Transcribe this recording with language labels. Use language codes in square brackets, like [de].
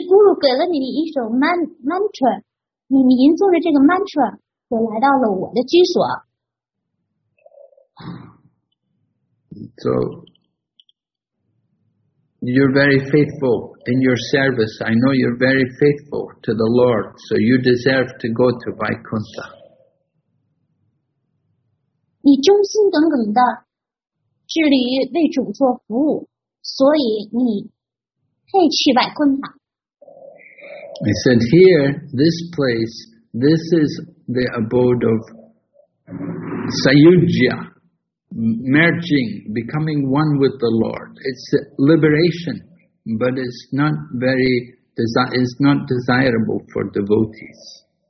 [zh] 你的guru给了你一首mantra, 你吟诵了这个mantra,就来到了我的居所。So, [en] you're very faithful in your service. I know you're very faithful to the Lord, so you deserve to go to Vaikuntha. [zh] 你忠心耿耿的致力于为主做服务，所以你配去百坤塔。 [en] He said, here, this place, this is the abode of Sayujya. Merging, becoming one with the Lord. It's liberation, but it's not very desirable for devotees.